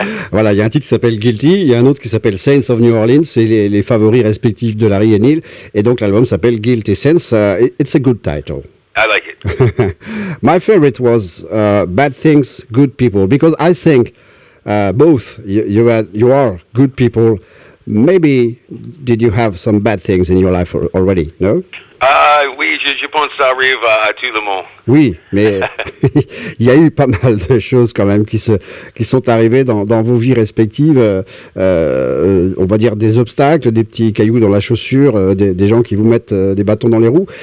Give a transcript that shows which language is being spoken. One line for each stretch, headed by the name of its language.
French: Voilà, il y a un titre qui s'appelle Guilty, il y a un autre qui s'appelle Saints of New Orleans, c'est les favoris respectifs de Larry et Neil. Et donc l'album s'appelle Guilty Saints.
English: It's a good title. I like it. My favorite was Bad Things, Good People, because I think both you are good people. Maybe did you have some bad things in your life already, no?
French: Oui, je pense que ça arrive à tout le monde. Oui, mais il y a eu pas mal de choses quand même qui sont arrivées dans vos vies respectives. On va dire des obstacles, des petits cailloux dans la chaussure, des gens qui vous mettent des bâtons dans les roues.